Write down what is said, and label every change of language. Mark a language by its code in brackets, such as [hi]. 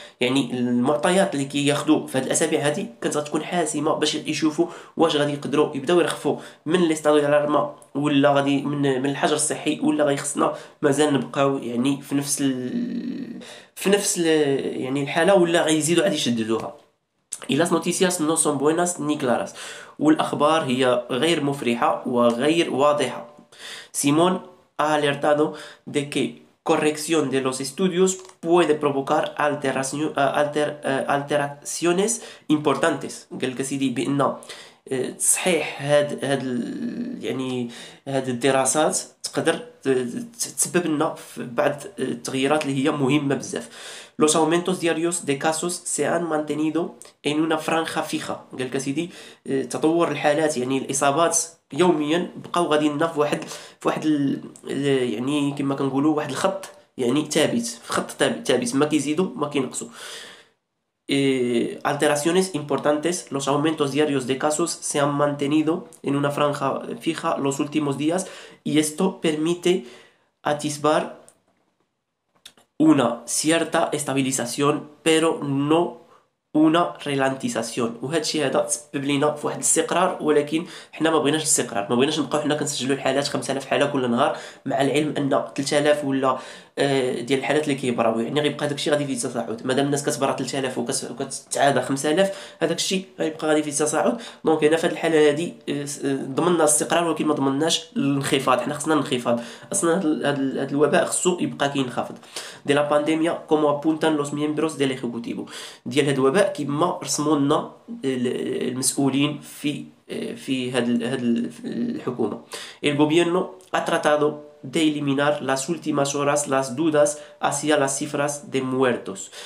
[ar] يعني المعطيات اللي كياخذوا في هاد الاسابيع هذه كانت غتكون حاسمه باش يشوفوا واش غادي يقدروا يبداو يرخفوا من لي ستادو ديال الارما ولا غادي من الحجر الصحي، ولا غيخصنا مازال نبقاو يعني في نفس يعني الحاله، ولا غيزيدوا عاد يشددوها. [es] Y las noticias no son buenas ni claras. [ar] والأخبار هي غير مفرحة وغير واضحة. [es] Simón ha alertado de que corrección de los estudios puede provocar alteraciones importantes. [ar] قال كسيدي بأن صحيح هاد يعني هاد الدراسات تقدر تسبب لنا في بعض التغييرات اللي هي مهمة بزاف. [es] Los aumentos diarios de casos se han mantenido en una franja fija. [ar] قال كسيدي تطور الحالات يعني الإصابات يوميا بقاو غادي لنا في واحد يعني كما كنقولوا واحد الخط يعني ثابت، في خط ثابت ما كيزيدوا ما كينقصوا. [es] Alteraciones importantes. Los aumentos diarios de casos se han mantenido en una franja fija los últimos días y esto permite atisbar una cierta estabilización, pero no una ralentización. [ar] وهذا الشيء هذا تسبب لنا في واحد الاستقرار، ولكن حنا ما بغيناش الاستقرار، ما بغيناش نبقاو حنا كنسجلوا الحالات 5000 حاله كل نهار مع العلم ان 3000 ولا ديال الحالات اللي كيبراو، يعني غيبقى هذاك الشيء غادي في تصاعد. مادام الناس كتبرى 3000 وكتعادى 5000 هذاك الشيء غيبقى غادي في تصاعد. دونك هنا في هذه الحاله هذه ضمننا الاستقرار ولكن ما ضمنناش الانخفاض. حنا خصنا الانخفاض اصلا، هذا الوباء خصو يبقى كينخفض. [es] دي لا بانديميا كومو ابونتان لوس ميمبروس [ar] ديال ليكوتيبو، ديال هذا الوباء كما رسموا لنا المسؤولين في هاد الحكومه. [es] El gobierno ha tratado de eliminar las últimas horas las dudas hacia las cifras de muertos.